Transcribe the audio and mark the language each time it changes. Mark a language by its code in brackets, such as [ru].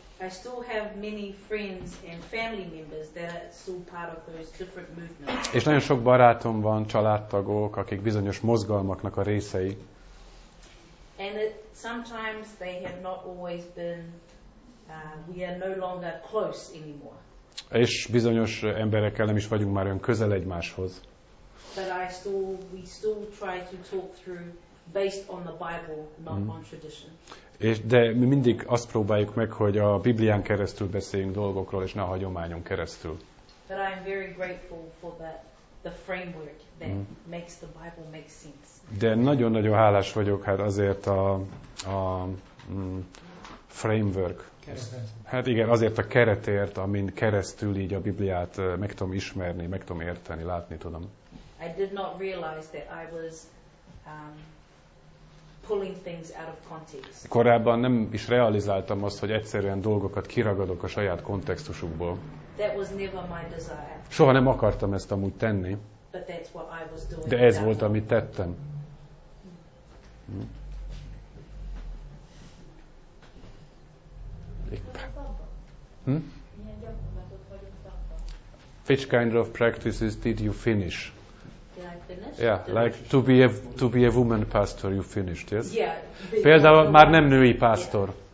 [en] I still have many friends and family members that are still part of those different movements. [hu] És nagyon sok barátom van, családtagok, akik bizonyos mozgalmaknak a részei. [en] And it, sometimes they have not always been we are no longer close anymore. [hu] És bizonyos emberekkel nem is vagyunk már olyan közel egymáshoz. [en] But I still we still try to talk through based on the Bible, not on tradition. [hu] És de mi mindig azt próbáljuk meg, hogy a Biblián keresztül beszéljünk dolgokról, és ne a hagyományon keresztül. [en] But I am very grateful for the framework that makes the Bible make sense. [hu] De nagyon-nagyon hálás vagyok hát azért a framework. Keresztül. Hát igen, azért a keretért, amin keresztül így a Bibliát meg tudom ismerni, meg tudom érteni, látni tudom. [en] I did not realize that I was pulling things out of context. [hu] Korábban nem is realizáltam azt, hogy egyszerűen dolgokat kiragadok a saját kontextusukból. [en] That was never my desire. [hu] Soha nem akartam ezt amúgy tenni. [en] But that's what I was doing. [hu] De ez volt, amit tettem. [en] Which kind of practices did you finish? Yeah, like to be a woman pastor, you finished, yes? Yeah. [hu] Például már nem női pásztor.